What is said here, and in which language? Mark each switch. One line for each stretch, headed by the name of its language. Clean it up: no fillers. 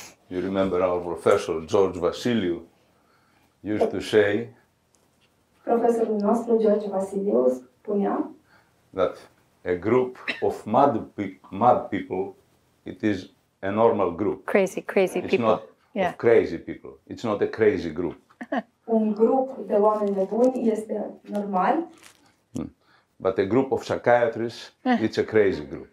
English: You remember our professor George Vasiliu used to say.
Romanian: Profesorul nostru George Vasiliu spunea
English: that a group of mad people, it is a normal group. Crazy it's people. Not yeah. Of crazy people. It's not a crazy group.
Romanian: Un grup de oameni nebuni este normal.
English: But a group of psychiatrists, it's a crazy group.